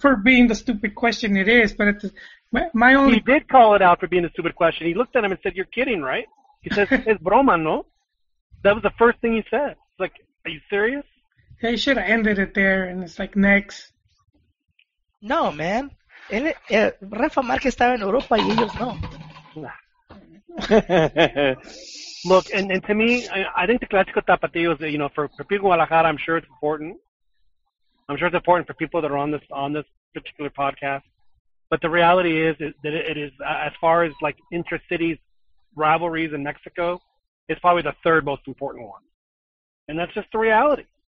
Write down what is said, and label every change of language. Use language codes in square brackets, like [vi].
[en] For being the stupid question it is. But it's my only. He did call it out for being a stupid question. He looked at him and said, you're kidding, right? He says, [es] es broma, no? [en] That was the first thing he said. It's like, are you serious? They should have ended it there, and it's like, next. No, man. [es] Rafa Márquez estaba en Europa y ellos no. [en] Look, and to me, I think the Clásico Tapatío is, you know, for people in Guadalajara, I'm sure it's important. I'm sure it's important for people that are on this particular podcast. But the reality is that it is, as far as like intra-cities rivalries in Mexico, it's probably the third most important one. And that's just the reality.